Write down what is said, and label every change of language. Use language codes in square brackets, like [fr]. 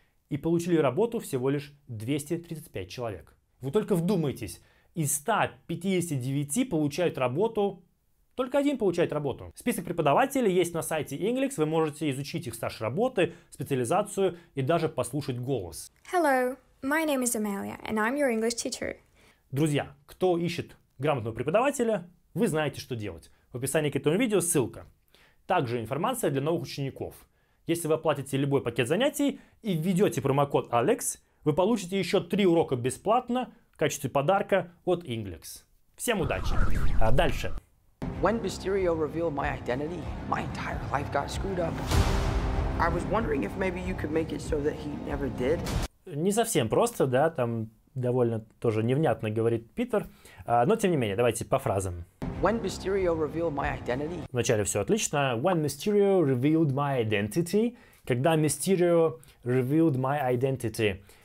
[ru] И получили работу всего лишь 235 человек. Вы только вдумайтесь, из 159 получают работу, только один получает работу. Список преподавателей есть на сайте Inglix, вы можете изучить их стаж работы, специализацию и даже послушать голос. [en] Hello, my name is Amelia, and I'm your English teacher. [ru] Друзья, кто ищет грамотного преподавателя, вы знаете, что делать. В описании к этому видео ссылка. Также информация для новых учеников. Если вы оплатите любой пакет занятий и введете промокод Alex, вы получите еще 3 урока бесплатно в качестве подарка от Inglix. Всем удачи! А дальше. [en] When Mysterio revealed my identity, my entire life got screwed up. I was wondering if maybe you could make it so that he never did. [ru] Не совсем просто, да, там довольно тоже невнятно говорит Питер. Но тем не менее, давайте по фразам. [en] When Mysterio revealed my identity. [ru] Вначале все отлично. When Mysterio revealed my identity. Когда Mysterio revealed my identity.